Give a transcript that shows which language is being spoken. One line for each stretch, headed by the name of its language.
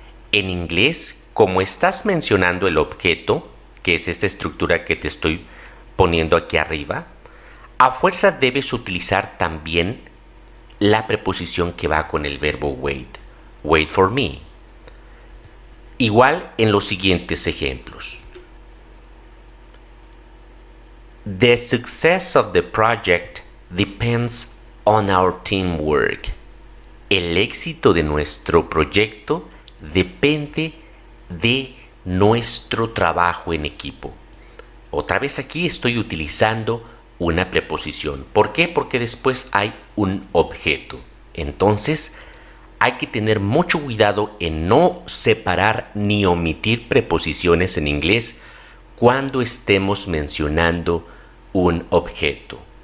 Spanish: En inglés, como estás mencionando el objeto, que es esta estructura que te estoy poniendo aquí arriba, a fuerza debes utilizar también la preposición que va con el verbo wait. Wait for me. Igual en los siguientes ejemplos.
English: The success of the project depends on our teamwork.
Spanish: El éxito de nuestro proyecto depende de nuestro trabajo en equipo. Otra vez aquí estoy utilizando una preposición. ¿Por qué? Porque después hay un objeto. Entonces, hay que tener mucho cuidado en no separar ni omitir preposiciones en inglés cuando estemos mencionando un objeto.